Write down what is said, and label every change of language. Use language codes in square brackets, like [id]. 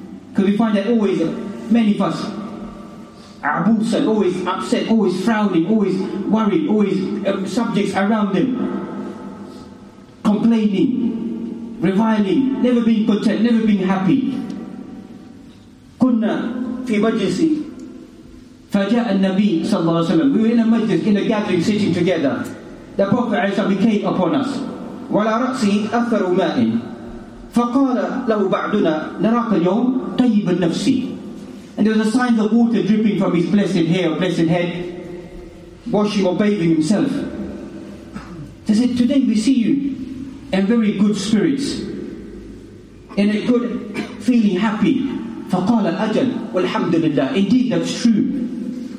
[en] Because we find that always, many of us, Abusan, always upset, always frowning, always worried, always subjects around them complaining, reviling, never being content, never being happy. [ar] كنا في مجلس فجاء النبي صلى الله عليه وسلم. [en] We were in a majlis, in a gathering, sitting together. The Prophet [ar] عليه الصلاة [en] came upon us. [ar] وعلى رأسه أثر ماء. فقال له بعدنا نراك اليوم طيب النفس. [en] And there was a sign of water dripping from his blessed hair, blessed head, washing or bathing himself. He said, today we see you in very good spirits, in a good feeling, happy. [ar] فَقَالَ أَجَلْ وَالْحَمْدُ لِلَّهِ. [en] Indeed, that's true.